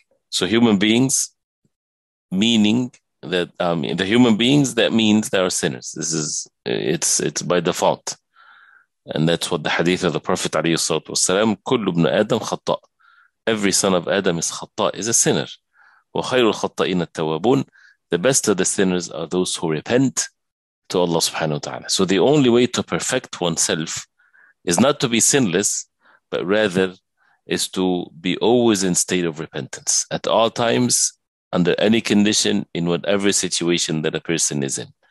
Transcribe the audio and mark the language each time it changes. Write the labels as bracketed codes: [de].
[en] So human beings, meaning that, the human beings, that means they are sinners. This is, it's by default. And that's what the hadith of the Prophet [ar] عليه الصلاة والسلام كل ابن آدم خطأ. [en] Every son of Adam is خطأ, is a sinner. [ar] وخير الخطائين التوابون. [en] The best of the sinners are those who repent to Allah سبحانه وتعالى. So the only way to perfect oneself is not to be sinless, but rather is to be always in state of repentance at all times, under any condition, in whatever situation that a person is in.